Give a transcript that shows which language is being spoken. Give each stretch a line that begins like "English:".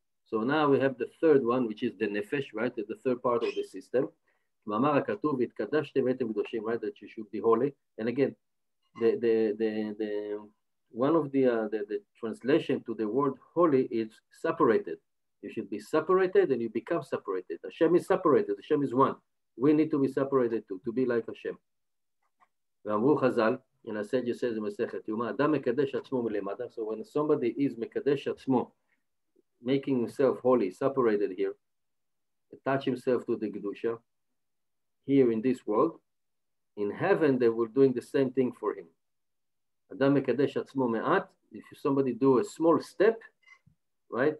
English: So now we have the third one, which is the nefesh, right? The third part of the system.
Hebrew: ואמר הכתוב, התקדשתם אתם קדושים, right?
English: That you should be holy. And again, the one of the translation to the word holy is separated. You should be separated and you become separated. Hashem is separated, Hashem is one. We need to be separated too, to be like Hashem.
Hebrew: ואמרו חזל,
English: and I said, you said,
Hebrew: מסכת יומא, אדם מקדש עצמו מלמדה.
English: So when somebody is
Hebrew: מקדש עצמו,
English: making himself holy, separated here, attach himself to the Kedusha here in this world. In heaven, they were doing the same thing for him.
Hebrew: Adam Mekadesh Atzmo Me'at,
English: if somebody do a small step, right?